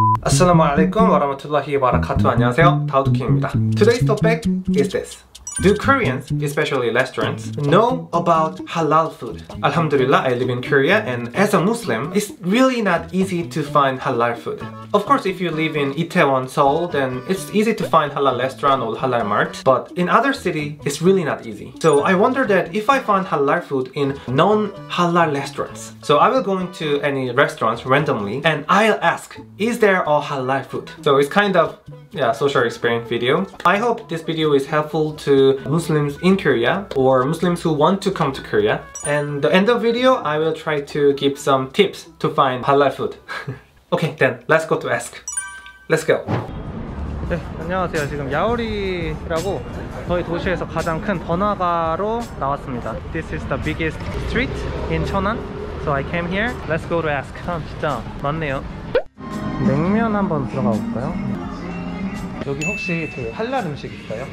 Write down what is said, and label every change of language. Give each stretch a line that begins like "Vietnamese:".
Arabic: 아슬라무 알라이쿰 와라마툴라히 와라카투.
Korean: 안녕하세요, 다우드킹입니다.
English: Today's topic is this. Do Koreans, especially restaurants, know about halal food? Alhamdulillah, I live in Korea, and as a Muslim, it's really not easy to find halal food. Of course, if you live in Itaewon, Seoul, then it's easy to find halal restaurant or halal mart. But in other city, it's really not easy. So I wonder that if I find halal food in non-halal restaurants. So I will go into any restaurants randomly, and I'll ask, is there a halal food? So it's kind of, yeah, social experience video. I hope this video is helpful to Muslims in Korea or Muslims who want to come to Korea. And the end of video, I will try to give some tips to find halal food. Okay, then let's go to ask. Let's go.
Korean: 네, 안녕하세요. 지금 야오리라고 저희 도시에서 가장 큰 번화가로 나왔습니다.
English: This is the biggest street in Cheonan. So I came here. Let's go to ask.
Korean: 아, 진짜 많네요. 냉면 한번 들어가 볼까요? 여기 혹시 그 할랄 음식 있어요?